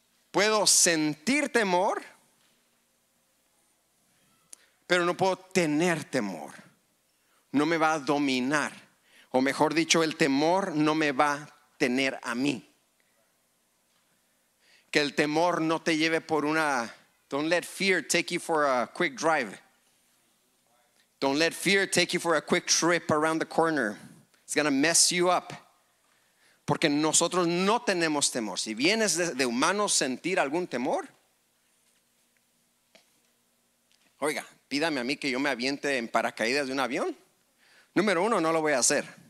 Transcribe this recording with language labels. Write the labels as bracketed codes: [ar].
[es] Puedo sentir temor, pero no puedo tener temor. No me va a dominar. O mejor dicho, el temor no me va a tener a mí. Que el temor no te lleve por una... [en] Don't let fear take you for a quick drive. Don't let fear take you for a quick trip around the corner. It's gonna mess you up. [es] Porque nosotros no tenemos temor. Si vienes de humanos sentir algún temor, oiga, pídame a mí que yo me aviente en paracaídas de un avión. Número uno, no lo voy a hacer.